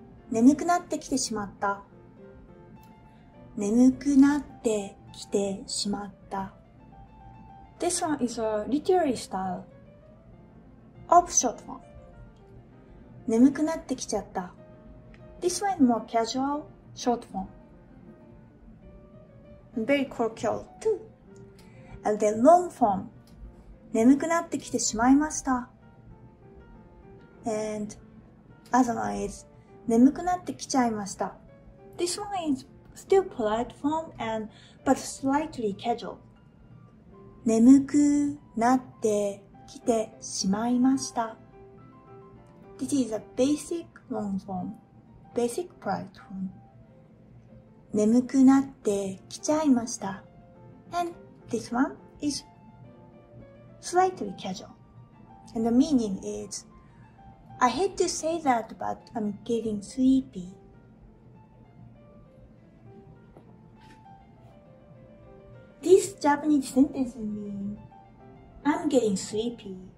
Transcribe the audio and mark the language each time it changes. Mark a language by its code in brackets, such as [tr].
[ja] 眠くなってきてしまった。眠くなってきてしまった。 [en] This one is a literary style of short form. [ja] 眠くなってきちゃった。 [en] This one is more casual short form. And very colloquial too. And then long form. [ja] 眠くなってきてしまいました。 [en] And other one is [ja] 眠くなってきちゃいました。 [en] This one is still polite form and but slightly casual. [ja] 眠くなってきてしまいました。 [en] This is a basic long form, basic polite form. [ja] 眠くなってきちゃいました。 [en] And this one is slightly casual. And the meaning isI hate to say that, but I'm getting sleepy. This Japanese sentence means I'm getting sleepy.